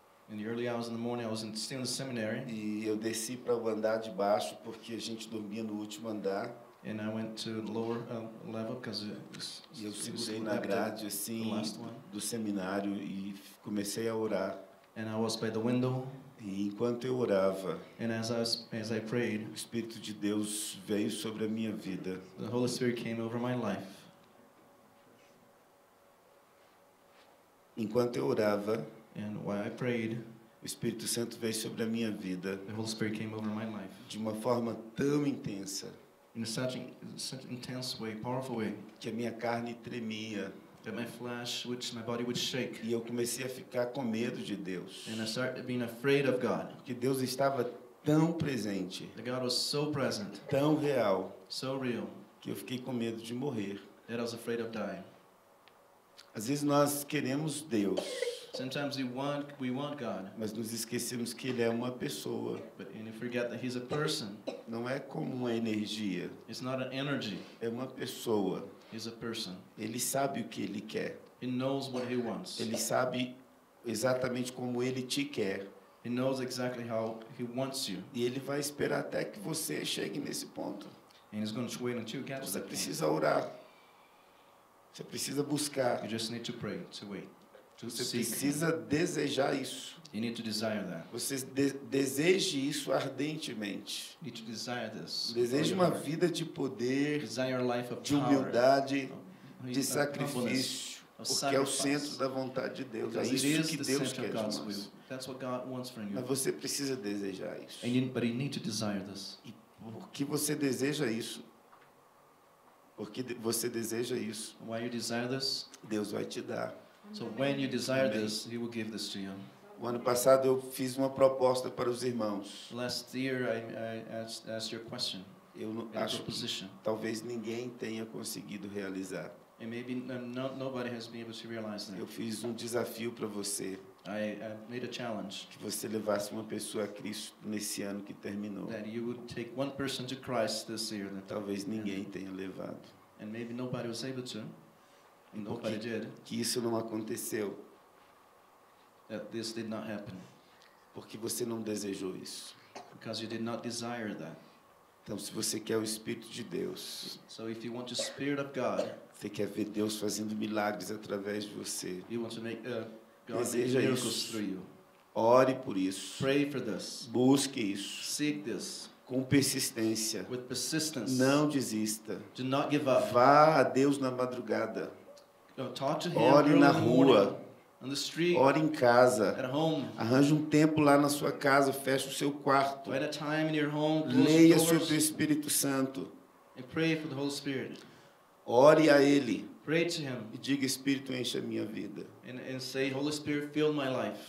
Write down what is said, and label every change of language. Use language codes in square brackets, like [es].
[en] In the early hours in the morning, I was still in the seminary. [pt] E eu desci para o andar de baixo porque a gente dormia no último andar. [en] And I went to the lower level because [pt] eu segurei na grade assim do seminário e comecei a orar. [en] And I was by the window. [pt] E enquanto eu orava, [en] and as I prayed, [pt] o Espírito de Deus veio sobre a minha vida. [en] The Holy Spirit came over my life. [pt] Enquanto eu orava, [en] and while I prayed, [pt] o Espírito Santo veio sobre a minha vida, [en] the Holy Spirit came over my life, [pt] de uma forma tão intensa, [en] in such intense way, powerful way, [pt] que a minha carne tremia, [en] that my flesh, which my body would shake, [pt] e eu comecei a ficar com medo de Deus, [en] and I started being afraid of God, [pt] que Deus estava tão presente, [en] that God was so present, [pt] tão real, [en] so real, [pt] que eu fiquei com medo de morrer, [en] that I was afraid of dying. [pt] Às vezes nós queremos Deus. [en] Sometimes we want God. [pt] Mas nos esquecemos que ele é uma pessoa. [en] But and you forget that he's a person. [pt] Não é como uma energia. [en] It's not an energy. [pt] É uma pessoa. [en] He's a person. [pt] Ele sabe o que ele quer. [en] He knows what he wants. [pt] Ele sabe exatamente como ele te quer. [en] He knows exactly how he wants you. [pt] E ele vai esperar até que você chegue nesse ponto. [en] And he's going to wait until you get to that. [pt] Você precisa orar. Você precisa buscar. [en] You just need to pray, to wait. [pt] Você precisa desejar isso. [en] You need to desire that. [pt] Você deseje isso ardentemente. [en] You need to desire this. [pt] Deseje uma vida de poder, [en] desire a life of power, [pt] de humildade, de sacrifício, porque é o centro da vontade de Deus. [en] Because [pt] é isso que Deus quer [en] God's [pt] de nós. [en] Will. That's what God wants from you. [pt] Mas você precisa desejar isso. [en] And you, but you need to desire this. [pt] E por que você deseja isso? Porque você deseja isso. [en] Why you desire this? [pt] Deus vai te dar. [en] So when you desire this, he will give this to you. [pt] O ano passado eu fiz uma proposta para os irmãos. [en] Last year I asked your question. [pt] Eu acho que talvez ninguém tenha conseguido realizar. [en] And maybe nobody has been able to realize that. [pt] Eu fiz um desafio para você. [en] I made a challenge. [pt] Que você levasse uma pessoa a Cristo nesse ano que terminou. [en] That you would take one person to Christ this year. [pt] Talvez ninguém tenha levado. [en] And maybe nobody was able to. [pt] Que isso não aconteceu. [en] That this did not happen. [pt] Porque você não desejou isso. [en] Because you did not desire that. [pt] Então, se você quer o Espírito de Deus, [en] so if you want the Spirit of God, [pt] você quer ver Deus fazendo milagres através de você, [en] you want to make, God [pt] deseja [en] miracles [pt] isso. [en] Through you. [pt] Ore por isso. [en] Pray for this. [pt] Busque isso. [en] Seek this. [pt] Com persistência. [en] With persistence. [pt] Não desista. [en] Do not give up. [pt] Vá a Deus na madrugada. [en] Talk to him. [pt] Ore na rua. [en] On the street. [pt] Ore em casa. [en] At home. [pt] Arranje um tempo lá na sua casa, feche o seu quarto. [en] At a time in your home, [pt] leia sobre o Espírito Santo. [en] And pray for the Holy Spirit. [pt] Ore a ele. [en] Pray to him. [pt] E diga, Espírito, enche a minha vida. [en] And say, Holy Spirit, fill my life.